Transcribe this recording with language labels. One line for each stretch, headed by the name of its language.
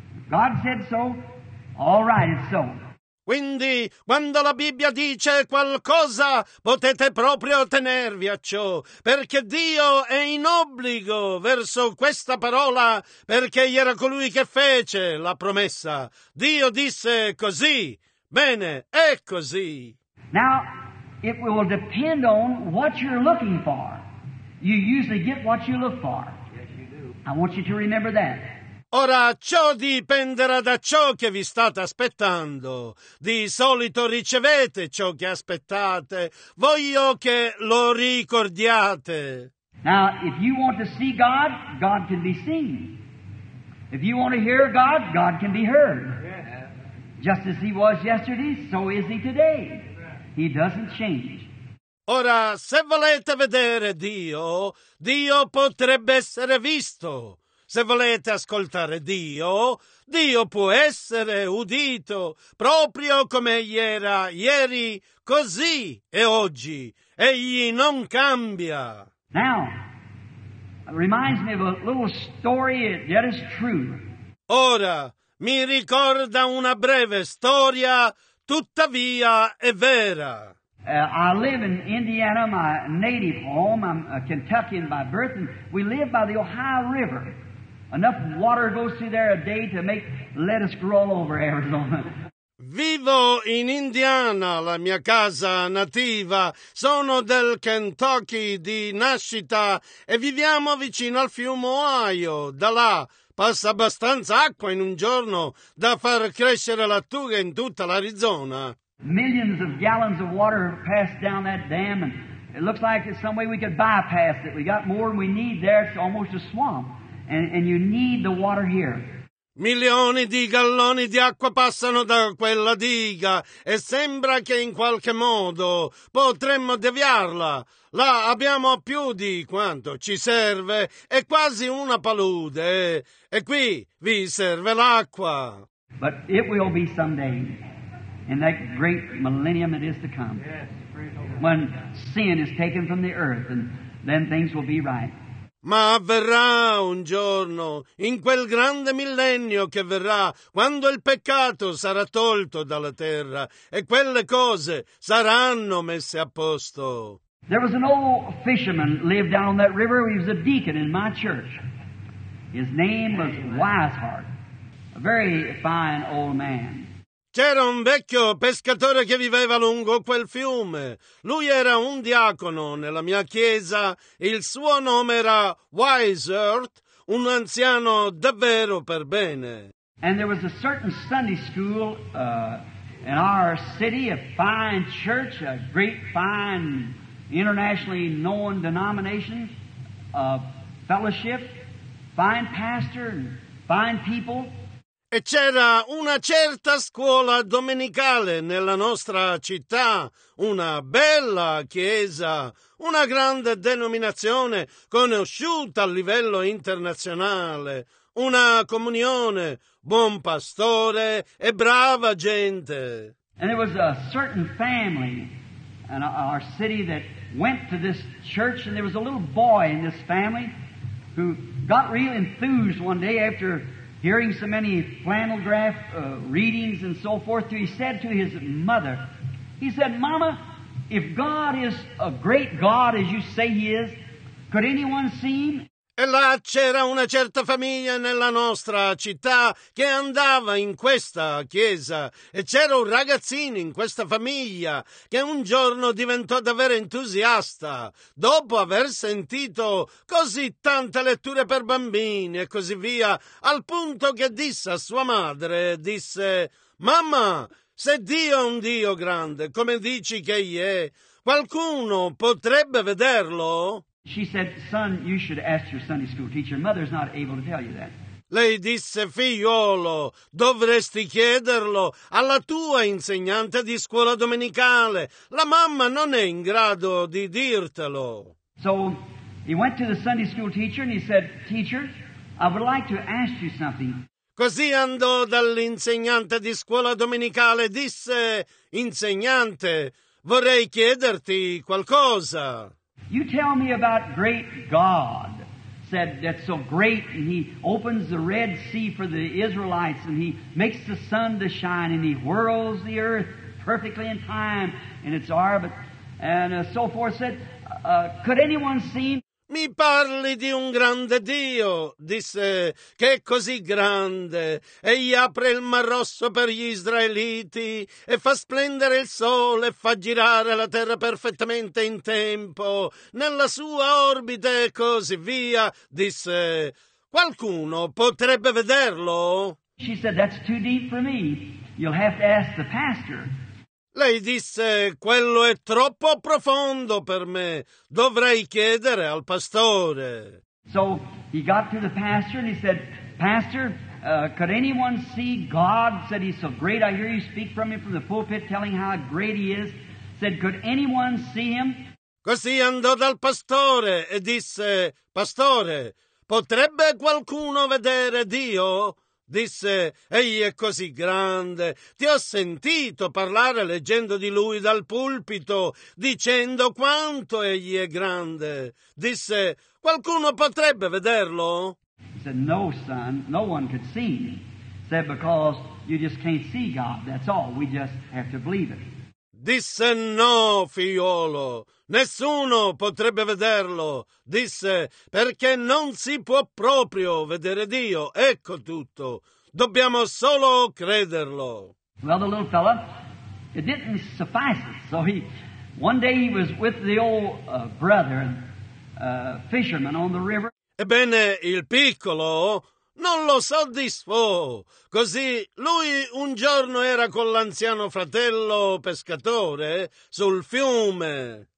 English: God said so. All right, it's so.
Italian: Quindi, quando la Bibbia dice qualcosa, potete proprio tenervi a ciò, perché Dio è in obbligo verso questa parola, perché egli era colui che fece la promessa. Dio disse così. Bene, è così.
English: Now, it will depend on what you're looking for. You usually get what you look for. Yes, you do. I want you to remember that.
Italian: Ora, ciò dipenderà da ciò che vi state aspettando. Di solito ricevete ciò che aspettate. Voglio che lo ricordiate.
English: Now, if you want to see God, God can be seen. If you want to hear God, God can be heard. Yes. Just as he was yesterday, so is he today. He doesn't change.
Italian: Ora, se volete vedere Dio, Dio potrebbe essere visto. Se volete ascoltare Dio, Dio può essere udito, proprio come egli era ieri, così e oggi. Egli non cambia.
English: Now, it reminds me of a little story that is true.
Italian: Ora, mi ricorda una breve storia, tuttavia è vera.
English: I live in Indiana, my native home. I'm a Kentuckian by birth, and we live by the Ohio River. Enough water goes through there a day to make lettuce grow all over Arizona.
Italian: Vivo in Indiana, la mia casa nativa. Sono del Kentucky di nascita e viviamo vicino al fiume Ohio. Da là passa abbastanza acqua in un giorno da far crescere lattuga in tutta l'Arizona.
English: Millions of gallons of water have passed down that dam, and it looks like there's some way we could bypass it. We got more than we need there. It's almost a swamp, and you need the water here.
Italian: Milioni di galloni di acqua passano da quella diga, e sembra che in qualche modo potremmo deviarla. Là abbiamo più di quanto ci serve, è quasi una palude, e qui vi serve l'acqua.
English: But it will be someday. In that great millennium that is to come. Yes, when sin is taken from the earth, and then things will be right.
Italian: Ma avverrà un giorno, in quel grande millennio che verrà, quando il peccato sarà tolto dalla terra, e quelle cose saranno messe a posto.
English: There was an old fisherman lived down that river. He was a deacon in my church. His name was Wiseheart, a very fine old man.
Italian: C'era un vecchio pescatore che viveva lungo quel fiume. Lui era un diacono nella mia chiesa. Il suo nome era Wiseheart, un anziano davvero per bene.
English: And there was a certain Sunday school in our city, a fine church, a great fine internationally known denomination, a fellowship, fine pastor, fine people.
Italian: E c'era una certa scuola domenicale nella nostra città, una bella chiesa, una grande denominazione conosciuta a livello internazionale, una comunione, buon pastore e brava gente.
English: And there was a certain family in our city that went to this church, and there was a little boy in this family who got real enthused one day after hearing so many flannel graph readings and so forth. He said to his mother, he said, "Mama, if God is a great God as you say he is, could anyone see him?"
Italian: E là c'era una certa famiglia nella nostra città che andava in questa chiesa e c'era un ragazzino in questa famiglia che un giorno diventò davvero entusiasta dopo aver sentito così tante letture per bambini e così via, al punto che disse a sua madre, disse: "Mamma, se Dio è un Dio grande, come dici che egli è, qualcuno potrebbe vederlo?"
English: She said, "Son, you should ask your Sunday school teacher. Mother's not able to tell you that."
Italian: Lei disse: "Figliolo, dovresti chiederlo alla tua insegnante di scuola domenicale. La mamma non è in grado di dirtelo."
English: So he went to the Sunday school teacher and he said, "Teacher, I would like to ask you something."
Italian: Così andò dall'insegnante di scuola domenicale e disse: "Insegnante, vorrei chiederti qualcosa."
English: "You tell me about great God," said, "that's so great, and he opens the Red Sea for the Israelites, and he makes the sun to shine, and he whirls the earth perfectly in time, in its orbit, and so forth," said, "could anyone see him?"
Italian: "Mi parli di un grande Dio," disse, "che è così grande, e gli apre il Mar Rosso per gli Israeliti, e fa splendere il sole, e fa girare la terra perfettamente in tempo, nella sua orbita e così via," disse, "qualcuno potrebbe vederlo?"
English: She said, "That's too deep for me. You'll have to ask the pastor."
Italian: Lei disse: "Quello è troppo profondo per me, dovrei chiedere al pastore."
English: So he got to the pastor and he said, "Pastor, could anyone see God? Said he's so great. I hear you speak from him from the pulpit telling how great he is. Said, could anyone see him?"
Italian: Così andò dal pastore e disse: "Pastore, potrebbe qualcuno vedere Dio?" Disse: "Egli è così grande, ti ho sentito parlare leggendo di lui dal pulpito, dicendo quanto egli è grande." Disse: "Qualcuno potrebbe vederlo?"
English: He said, "No, son, no one could see me. Said, because you just can't see God, that's all, we just have to believe it."
Italian: Disse: "No, figliolo, nessuno potrebbe vederlo." Disse: "Perché non si può proprio vedere Dio, ecco tutto. Dobbiamo solo crederlo."
English: Well, the little fella, it didn't suffice. So he, one day he was with the old brother, fisherman on the river.
Italian: Ebbene, il piccolo non lo soddisfò. Così lui un giorno era con l'anziano fratello pescatore sul fiume.